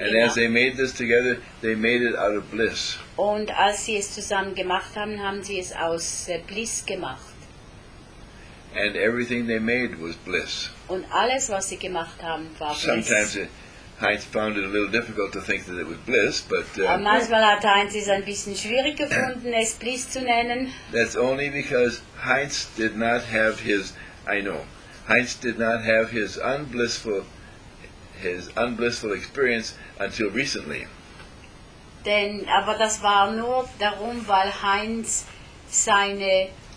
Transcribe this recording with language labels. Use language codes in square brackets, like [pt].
[en] and [de] gemacht. [en] And as they made this together, they made it out of bliss. [de] Und als sie es zusammen gemacht haben, haben sie es aus Bliss gemacht. [en] And everything they made was bliss. [de] Und alles, was sie gemacht haben, war Bliss. [en] Sometimes Heinz found it a little difficult to think that it was bliss, but [de] manchmal hat Heinz es ein bisschen schwierig gefunden, es Bliss zu nennen. [en] That's only because Heinz did not have his, I know, Heinz did not have his unblissful experience until recently. [de] Denn, aber das war nur darum, weil Heinz seine...